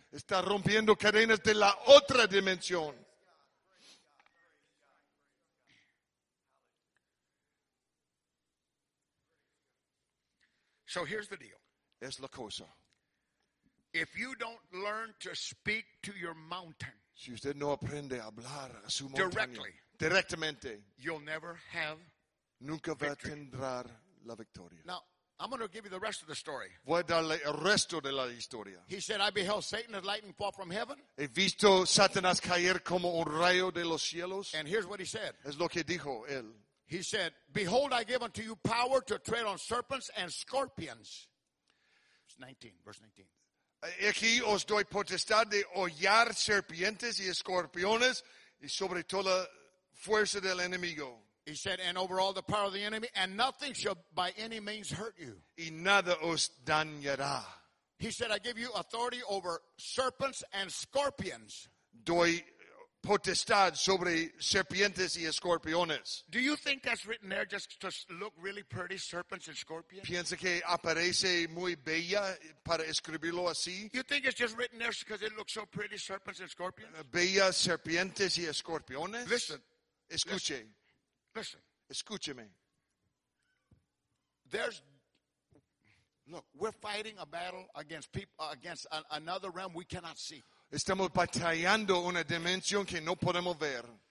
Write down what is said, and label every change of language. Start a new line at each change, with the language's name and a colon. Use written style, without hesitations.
Spanish: Está rompiendo cadenas de la otra dimensión.
English: So here's the deal.
Spanish: Es la cosa.
English: If you don't learn to speak to your mountain.
Spanish: Si usted no aprende a hablar a su
English: directly,
Spanish: montaña, directamente,
English: you'll never have
Spanish: nunca va
English: victory.
Spanish: A tener la victoria.
English: Now, I'm going to give you the rest of the story.
Spanish: Voy a darle el resto de la historia.
English: He said, "I beheld Satan as lightning fall from heaven."
Spanish: He visto Satanás caer como un rayo de los cielos.
English: And here's what he said.
Spanish: Es lo que dijo él.
English: He said, "Behold, I give unto you power to tread on serpents and scorpions." Verse 19.
Spanish: Aquí os doy potestad de hollar serpientes y escorpiones y sobre toda la fuerza del enemigo.
English: He said, "And over all the power of the enemy, and nothing shall by any means hurt you."
Spanish: Y nada os dañará.
English: He said, "I give you authority over serpents and scorpions."
Spanish: Doy potestad sobre serpientes y escorpiones.
English: Do you think that's written there just to look really pretty, serpents and scorpions?
Spanish: Piensa que aparece muy bella para escribirlo así.
English: You think it's just written there because it looks so pretty, serpents and scorpions?
Spanish: Bella serpientes y escorpiones.
English: Listen,
Spanish: escuche.
English: Listen,
Spanish: escúcheme.
English: There's, look, we're fighting a battle against people against another realm we cannot see.
Spanish: Estamos batallando una dimensión que no podemos ver.